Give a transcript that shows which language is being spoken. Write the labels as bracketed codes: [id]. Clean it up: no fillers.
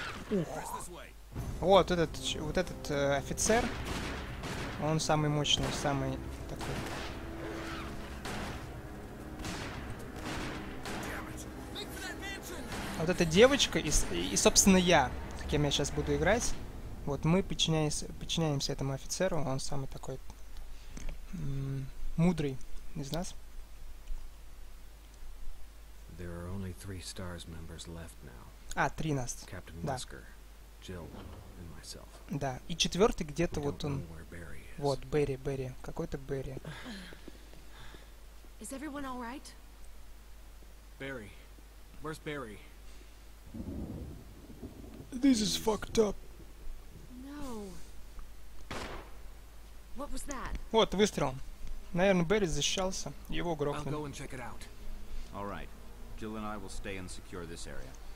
[ru] Ух. Вот этот офицер, он самый мощный, самый такой... Вот эта девочка и собственно, я, кем я сейчас буду играть. Вот мы подчиняемся этому офицеру. Он самый такой мудрый из нас. [en] There are only three stars members left now. [ru] А, три нас. [en] Captain [ru] да. [en] Wesker, Jill and myself. [ru] Да, и четвертый где-то вот он. Вот, Берри, Берри. Какой-то Берри. [en] Is everyone all right? Barry. Where's Barry? This is fucked up. No. What was that? [ru] Вот выстрел. Наверное, Берри защищался. Его грохнули. I'll go and check it out. All right. Jill and I will stay and secure this area.